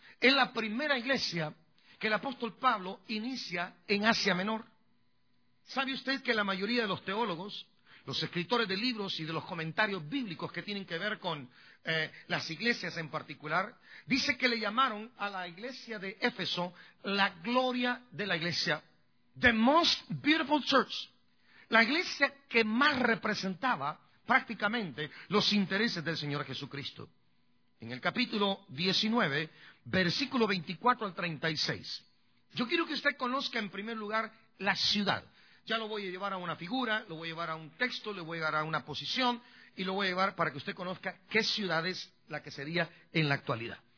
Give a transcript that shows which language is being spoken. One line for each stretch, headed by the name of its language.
Spanish: Es la primera iglesia que el apóstol Pablo inicia en Asia Menor. ¿Sabe usted que la mayoría de los teólogos, los escritores de libros y de los comentarios bíblicos que tienen que ver con las iglesias en particular, dice que le llamaron a la iglesia de Éfeso la gloria de la iglesia?
English: The most beautiful church.
Spanish: La iglesia que más representaba prácticamente los intereses del Señor Jesucristo. En el capítulo 19, versículo 24 al 36. Yo quiero que usted conozca en primer lugar la ciudad. Ya lo voy a llevar a una figura, lo voy a llevar a un texto, le voy a llevar a una posición y lo voy a llevar para que usted conozca qué ciudad es la que sería en la actualidad.